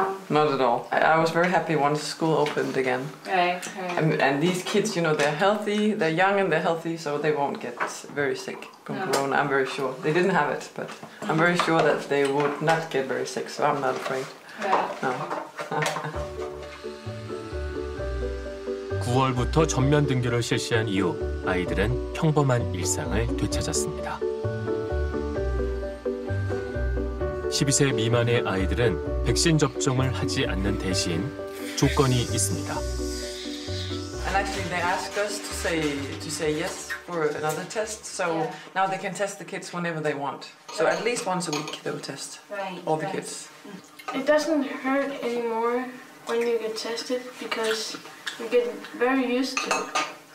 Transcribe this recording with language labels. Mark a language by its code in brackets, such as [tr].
[en] Not at all. I was very happy once school opened again. Right. And these kids, you know, they're healthy, they're young and they're healthy, so they won't get very sick from corona, I'm very sure. They didn't have it, but I'm very sure that they would not get very sick, so I'm not afraid. Right. No. [ko] 9월부터 전면 등교를 실시한 이후 아이들은 평범한 일상을 되찾았습니다. 12세 미만의 아이들은 백신 접종을 하지 않는 대신 조건이 있습니다. [en] And actually mean, they ask us to say yes for another test. So yeah. Now they can test the kids whenever they want. So at least once a week they'll test all the kids. It doesn't hurt anymore when you get tested because you get very used to it.